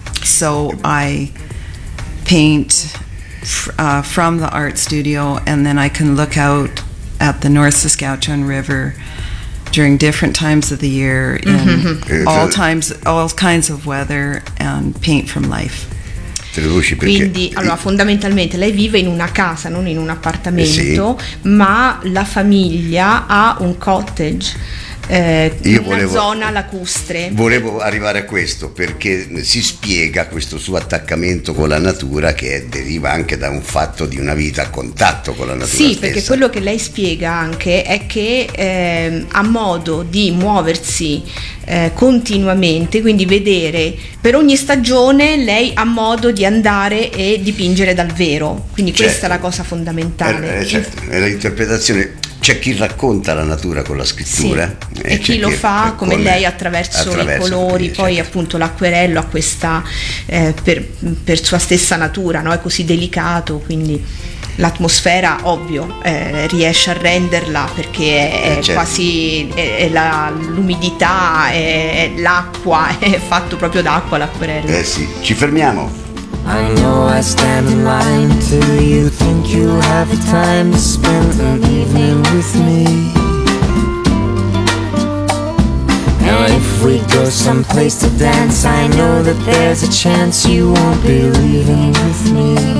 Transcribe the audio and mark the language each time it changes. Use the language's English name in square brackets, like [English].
[English] So I paint from the art studio, and then I can look out at the North Saskatchewan River during different times of the year, in all times, all kinds of weather, and paint from life. [Italian] Quindi, allora, fondamentalmente lei vive in una casa, non in un appartamento, sì, ma la famiglia ha un cottage in una zona lacustre. Volevo arrivare a questo, perché si spiega questo suo attaccamento con la natura, che deriva anche da un fatto di una vita a contatto con la natura. Sì, stessa. Perché quello che lei spiega anche è che ha modo di muoversi continuamente, quindi vedere per ogni stagione, lei ha modo di andare e dipingere dal vero, quindi certo, questa è la cosa fondamentale. È l'interpretazione. C'è chi racconta la natura con la scrittura, sì, e chi lo fa come lei attraverso i colori, quindi, poi certo, appunto l'acquerello ha questa per sua stessa natura, no? È così delicato, quindi l'atmosfera, ovvio, riesce a renderla, perché è quasi è la, l'umidità, è l'acqua, è fatto proprio d'acqua l'acquerello. Eh sì, ci fermiamo. [English] I know I stand in line till you think you have the time to spend an evening with me. Now if we go someplace to dance, I know that there's a chance you won't be leaving with me.